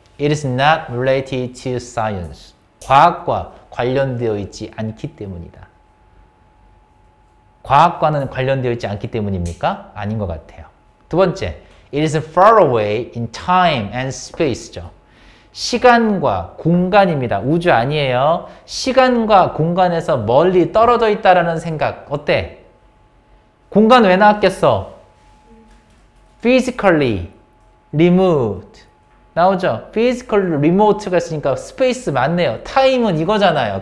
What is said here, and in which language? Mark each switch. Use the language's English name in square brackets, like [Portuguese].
[English] It is not related to science. [Korean] 과학과 관련되어 있지 않기 때문이다. 과학과는 관련되어 있지 않기 때문입니까? 아닌 것 같아요. 두 번째, [English] it is far away in time and space죠. [Korean] 시간과 공간입니다. 우주 아니에요. 시간과 공간에서 멀리 떨어져 있다라는 생각. 어때? 공간 왜 나왔겠어? [English] Physically remote. [Korean] 나오죠? [English] Physically remote [Korean] 가 있으니까 space 맞네요. Time은 이거잖아요.